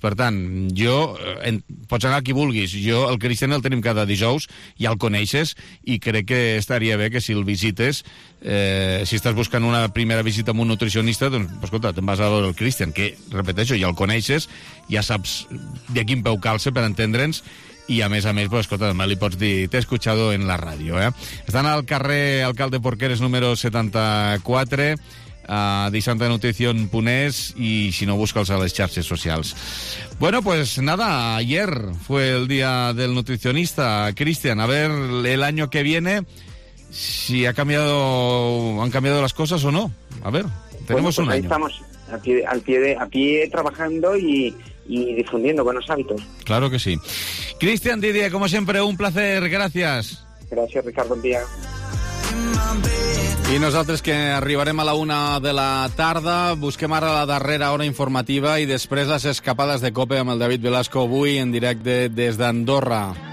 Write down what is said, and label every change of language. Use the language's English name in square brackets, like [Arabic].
[Catalan] Per tant, jo, pots anar qui vulguis, jo el Cristian el tenim cada dijous, ja el coneixes, i crec que estaria bé que si el visites, si estàs buscant una primera visita amb un nutricionista, doncs, escolta, te'n vas a veure el Cristian, que, repeteixo, ja el coneixes, ja saps de quin peu calça per entendre'ns, i a més, pues, escolta, demà li pots dir, t'he escuchado en la ràdio, Estan al carrer Alcalde Porqueres número 74, Dissanta Nutrición Punés, i si no, busca'ls a les xarxes socials. [Spanish] Bueno, pues nada, ayer fue el día del nutricionista, Cristian, a ver el año que viene si han cambiado las cosas o no, a ver, tenemos bueno, pues un año. Estamos. a pie trabajando y difundiendo buenos hábitos. Claro que sí. Cristian Didier, como siempre, un placer, gracias. Gracias, Ricardo, buen día. [Catalan] I nosaltres, que arribarem a la una de la tarda, busquem ara la darrera hora informativa i després les escapades de COPE amb el David Velasco, avui en directe des d'Andorra.